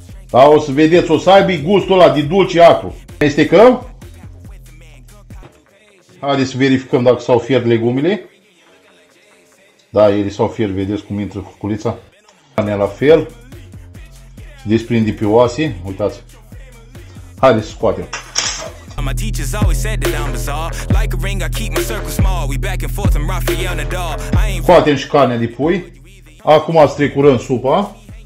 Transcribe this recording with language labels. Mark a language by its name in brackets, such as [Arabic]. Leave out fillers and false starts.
[Romanian] Da, o să vedeți, o să aibă gustul ăla de dulce acru. Amestecăm. Haideți să verificăm dacă s-au fiert legumele. Da, ele s-au fiert, vedeți cum intră cuculița. Carnea la fel. Desprinde pe oase, uitați. Haideți să scoatem. [English] My teachers always said that I'm bizarre. Like a ring, I keep my circle small. We back and forth, I'm Rafael Nadal. [Romanian] Scoatem și carnea de pui. Acum strecurăm supa.